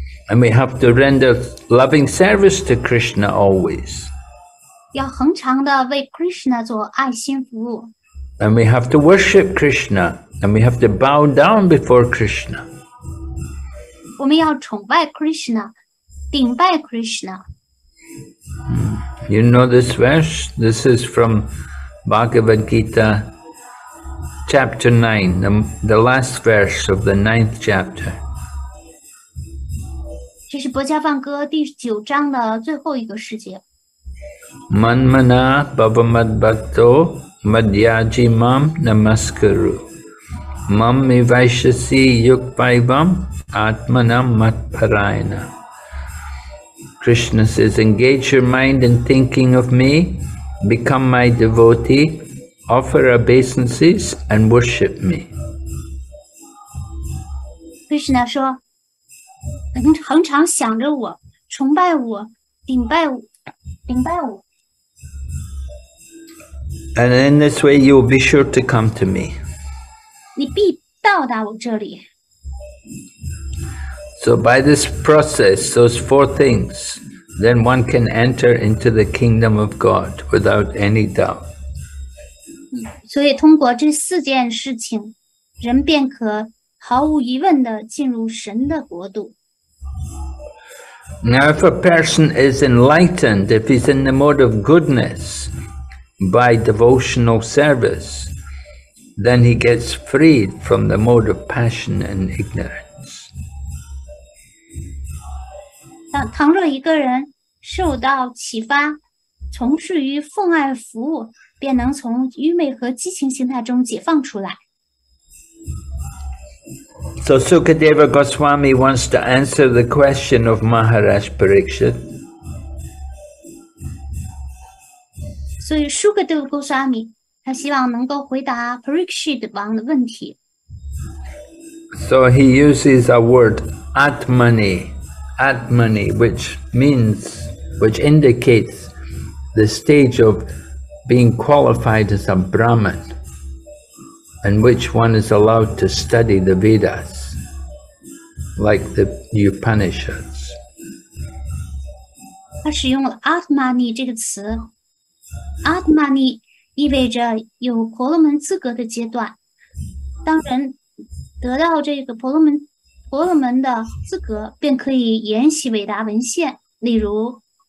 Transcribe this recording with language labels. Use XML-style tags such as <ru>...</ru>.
<en>And we have to render loving service to Krishna always.</en> <zh>要恒常地为 Krishna做爱心服务。</zh> <en>And we have to worship Krishna, and we have to bow down before Krishna.</en> <zh>我们要崇拜 Krishna，顶拜 Krishna。</zh> <en>You know this verse? This is from Bhagavad Gita, chapter 9, the last verse of the 9th chapter.</en> <zh>这是《薄伽梵歌》第九章的最后一个世界。</zh> <sa>Manmana bhavamad bhakto madhyaji mam namaskaru mam mivaishasi yukpaivam atmanam matparayana.</sa> <en>Krishna says, engage your mind in thinking of me, become my devotee, offer obeisances, and worship me.</en> <zh>Krishna 说，恒常想着我，崇拜我，顶拜我。</zh> <en>And in this way, you will be sure to come to me.</en> <zh>你必到达我这里。</zh> <en>So by this process, those four things, then one can enter into the kingdom of God without any doubt.</en> <zh>所以通过这四件事情, 人便可毫无疑问地进入神的国度。</zh> <en>Now if a person is enlightened, if he's in the mode of goodness by devotional service, then he gets freed from the mode of passion and ignorance.</en> <zh>倘若一个人 受到启发，从事于奉爱服务，便能从愚昧和激情心态中解放出来。</zh> <en>So Sukadeva Goswami wants to answer the question of Maharaj Parikshit.</en> <zh>所以 Sukadeva Goswami 他希望能够回答 Parikshit 王的问题。</zh> <en>So he uses a word atmani, which means which indicates the stage of being qualified as a Brahman and which one is allowed to study the Vedas, like the Upanishads.</en> <zh>他使用了Atmani这个词, Atmani意味着有婆罗门资格的阶段, 当人得到这个婆罗门的资格便可以研习伟达文献,例如</zh>